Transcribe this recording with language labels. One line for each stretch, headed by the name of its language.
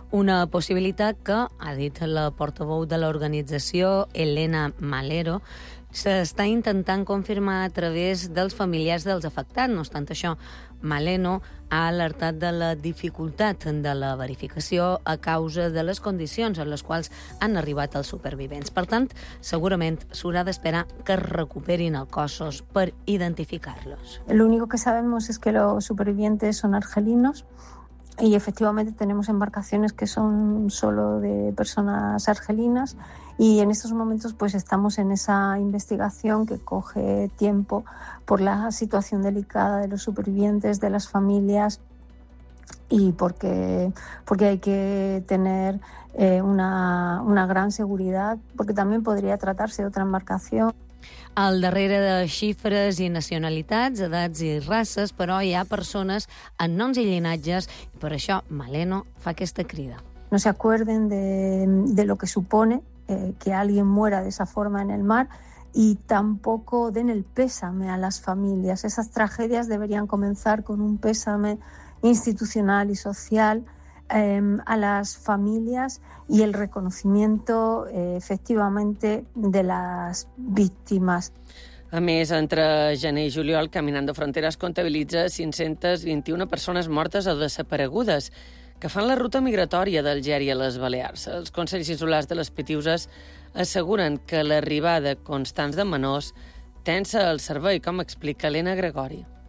Catalan: Una possibilitat que, ha dit la portaveu de l'organització, Elena Malero, s'està intentant confirmar a través dels familiars dels afectats. No obstant això, Maleno ha alertat de la dificultat de la verificació a causa de les condicions en les quals han arribat els supervivents. Per tant, segurament s'haurà d'esperar que es recuperin els cossos per identificar-los.
Spanish: Lo único que sabemos es que los supervivientes son argelinos y efectivamente tenemos embarcaciones que son solo de personas argelinas y en estos momentos pues estamos en esa investigación que coge tiempo por la situación delicada de los supervivientes, de las familias y porque hay que tener una gran seguridad porque también podría tratarse de otra embarcación.
Catalan: Al darrere de xifres i nacionalitats, edats i races, però hi ha persones en noms i llinatges, i per això Maleno fa aquesta crida.
Spanish: No se acuerden de lo que supone que alguien muera de esa forma en el mar y tampoco den el pésame a las familias. Esas tragedias deberían comenzar con un pésame institucional y social a las familias y el reconocimiento efectivamente de las víctimas.
Catalan: A més, entre gener i juliol, Caminando Fronteras comptabilitza 521 persones mortes o desaparegudes que fan la ruta migratòria d'Algèria a les Balears. Els Consells Insulars de les Pitiüses asseguren que l'arribada constant de menors tensa el servei, com explica Elena Gregori.